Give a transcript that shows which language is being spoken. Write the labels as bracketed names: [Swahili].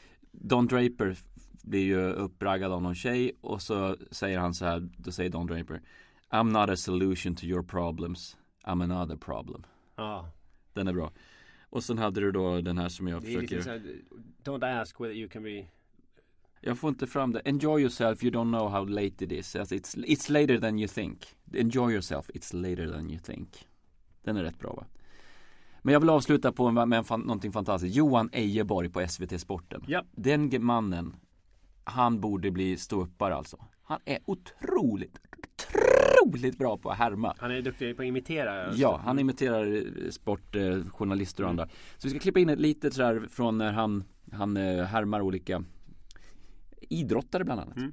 [Swedish] Don Draper blir ju uppraggad av någon tjej och så säger han så här, då säger Don Draper: I'm not a solution to your problems. [English] I'm another problem. [Swedish] Ja. Den är bra. Och sen hade du då den här som jag försöker... [English] Don't ask whether you can be... [Swedish] Jag får inte fram det. [English] Enjoy yourself, you don't know how late it is. It's later than you think. Enjoy yourself, it's later than you think. [Swedish] Den är rätt bra, va? Men jag vill avsluta på med någonting fantastiskt. Johan Ejeborg på SVT Sporten. Ja. Den mannen, han borde bli ståuppare alltså. Han är otroligt... roligt bra på att härma. Han är duktig på att imitera. Ja, han imiterar sportjournalister och andra. Så vi ska klippa in ett litet sådär från när han härmar olika idrottare bland annat.